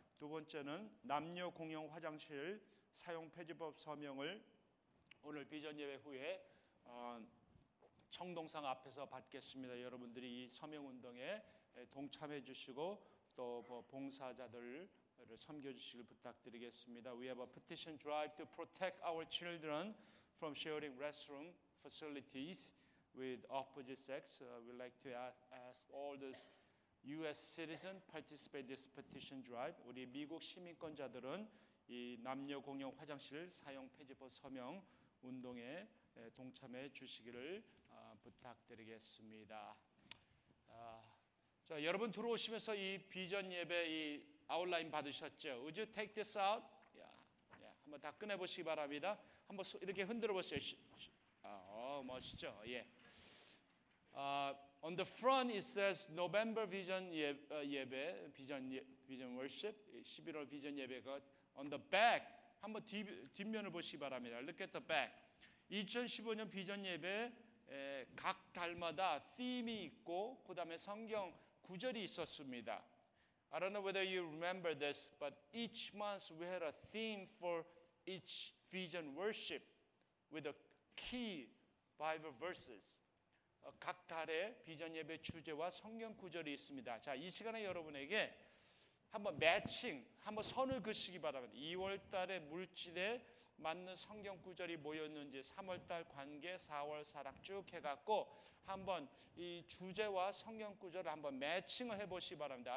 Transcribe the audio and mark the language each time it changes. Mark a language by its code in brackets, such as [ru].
[ko] 두 번째는 남녀 공용 화장실 사용 폐지법 서명을 오늘 비전 예배 후에 청동상 앞에서 받겠습니다. 여러분들이 이 서명 운동에 동참해 주시고 또 봉사자들을 섬겨 주시길 부탁드리겠습니다. [en] We have a petition drive to protect our children from sharing restroom facilities with opposite sex. We'd like to ask all the U.S. citizens participate in this petition drive. [ko] 우리 미국 시민권자들은 이 남녀 공용 화장실 사용 폐지법 서명 운동에 동참해 주시기를 부탁드리겠습니다. 자, 여러분 들어오시면서 이 비전 예배 이 아웃라인 받으셨죠? [en] Would you take this out? [ko] 한번 다 꺼내 보시기 바랍니다. 한번 이렇게 흔들어 보세요. 멋있죠? 예. [en] On the front it says November Vision [ko] 예배 비전 [en] worship [ko] 11월 비전 예배가 [en] On the back, [ko] 한번 뒷면을 보시기 바랍니다. [en] Look at the back. [ko] 2015년 비전 예배 각 달마다 theme이 있고 그 다음에 성경 구절이 있었습니다. [en] I don't know whether you remember this, but each month we had a theme for each vision worship with a key Bible verses. [ko] 각 달에 비전 예배 주제와 성경 구절이 있습니다. 자, 이 시간에 여러분에게 한번 매칭, 한번 선을 그시기 바랍니다. 2월달에 물질에 맞는 성경 구절이 뭐였는지 3월달 관계, 4월 사랑 쭉 해갖고 한번 이 주제와 성경 구절을 한번 매칭을 해보시기 바랍니다.